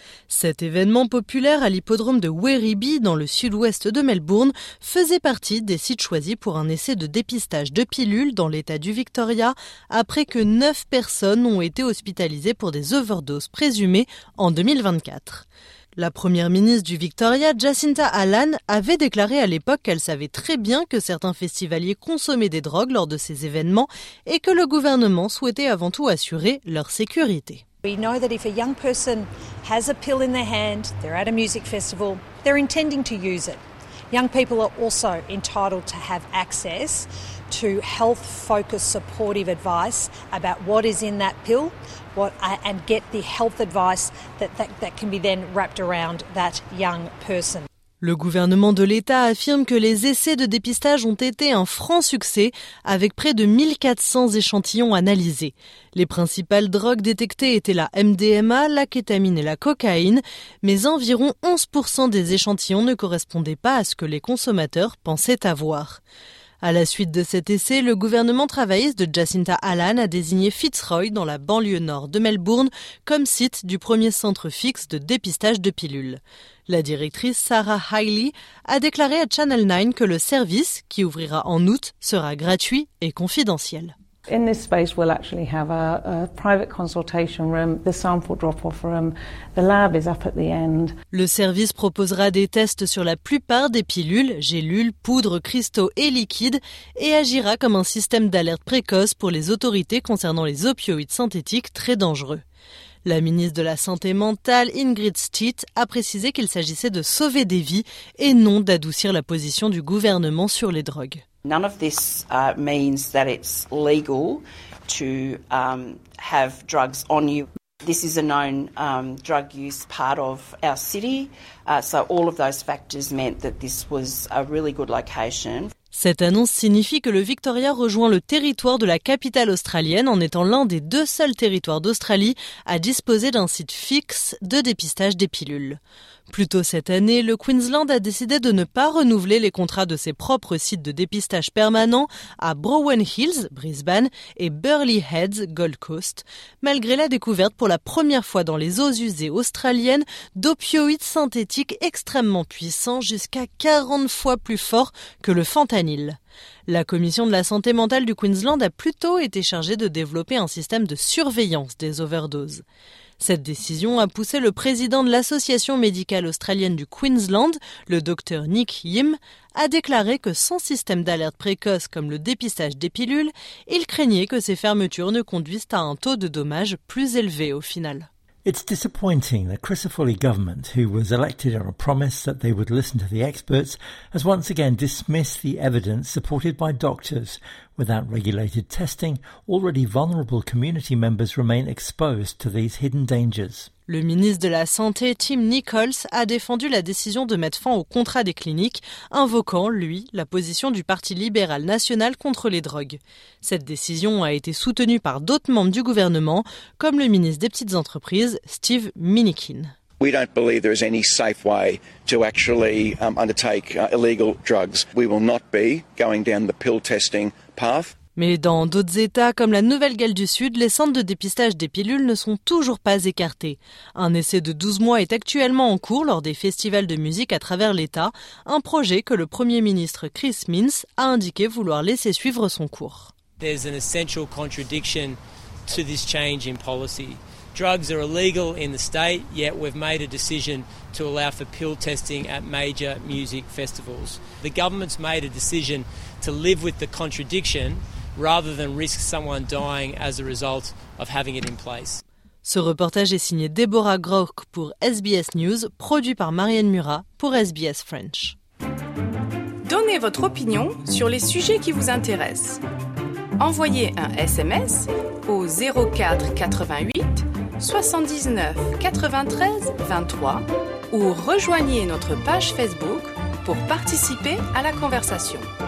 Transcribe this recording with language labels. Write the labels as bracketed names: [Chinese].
[French] Cet événement populaire à l'hippodrome de Werribee, dans le sud-ouest de Melbourne, faisait partie des sites choisis pour un essai de dépistage de pilules dans l'état du Victoria, après que 9 personnes ont été hospitalisées pour des overdoses présumées en 2024. La première ministre du Victoria, Jacinta Allan, avait déclaré à l'époque qu'elle savait très bien que certains festivaliers consommaient des drogues lors de ces événements et que le gouvernement souhaitait avant tout assurer leur sécurité. [English] We know that if a young person has a pill in their hand, they're at a music festival, they're intending to use it. Young people are also entitled to have access to health-focused supportive advice about what is in that pill, and get the health advice that can be then wrapped around that young person. [French] Le gouvernement de l'État affirme que les essais de dépistage ont été un franc succès, avec près de 1400 échantillons analysés. Les principales drogues détectées étaient la MDMA, la kétamine et la cocaïne, mais environ 11% des échantillons ne correspondaient pas à ce que les consommateurs pensaient avoir. À la suite de cet essai, le gouvernement travailliste de Jacinta Allan a désigné Fitzroy, dans la banlieue nord de Melbourne, comme site du premier centre fixe de dépistage de pilules. La directrice Sarah Hailey a déclaré à Channel 9 que le service, qui ouvrira en août, sera gratuit et confidentiel. [English] In this space, we'll actually have a private consultation room, the sample drop-off room. The lab is up at the end. [French] Le service proposera des tests sur la plupart des pilules, gélules, poudres, cristaux et liquides, et agira comme un système d'alerte précoce pour les autorités concernant les opioïdes synthétiques très dangereux. La ministre de la Santé mentale, Ingrid Stitt, a précisé qu'il s'agissait de sauver des vies et non d'adoucir la position du gouvernement sur les drogues. [English] None of this means that it's legal to have drugs on you. This is a known drug use part of our city, so all of those factors meant that this was a really good location. [French] Cette annonce signifie que le Victoria rejoint le territoire de la capitale australienne en étant l'un des deux seuls territoires d'Australie à disposer d'un site fixe de dépistage des pilules. Plus tôt cette année, le Queensland a décidé de ne pas renouveler les contrats de ses propres sites de dépistage permanents à Bowen Hills, Brisbane, et Burleigh Heads, Gold Coast, malgré la découverte pour la première fois dans les eaux usées australiennes d'opioïdes synthétiques extrêmement puissants, jusqu'à 40 fois plus forts que le fentanyl. La commission de la santé mentale du Queensland a plutôt été chargée de développer un système de surveillance des overdoses. Cette décision a poussé le président de l'Association médicale australienne du Queensland, le docteur Nick Yim, à déclarer que sans système d'alerte précoce comme le dépistage des pilules, il craignait que ces fermetures ne conduisent à un taux de dommages plus élevé au final. [English] It's disappointing that Crisafulli government, who was elected on a promise that they would listen to the experts, has once again dismissed the evidence supported by doctors. Without regulated testing, already vulnerable community members remain exposed to these hidden dangers. [French] Le ministre de la Santé, Tim Nicholls, a défendu la décision de mettre fin au contrat des cliniques, invoquant, lui, la position du Parti libéral national contre les drogues. Cette décision a été soutenue par d'autres membres du gouvernement, comme le ministre des Petites Entreprises, Steve Minikin. [English] We don't believe there is any safe way to actually undertake illegal drugs. We will not be going down the pill testing path. [French] Mais dans d'autres États, comme la Nouvelle-Galles du Sud, les centres de dépistage des pilules ne sont toujours pas écartés. Un essai de 12 mois est actuellement en cours lors des festivals de musique à travers l'État, un projet que le Premier ministre Chris Minns a indiqué vouloir laisser suivre son cours. [English] There's an essential contradiction to this change in policy. Drugs are illegal in the state, yet we've made a decision to allow for pill testing at major music festivals. The government's made a decision to live with the contradiction rather than risk someone dying as a result of having it in place. [French] Ce reportage est signé Deborah Grock pour SBS News, produit par Marianne Murat pour SBS French. Donnez votre opinion sur les sujets qui vous intéressent. Envoyez un SMS au 04 88 79 93 23 ou rejoignez notre page Facebook pour participer à la conversation.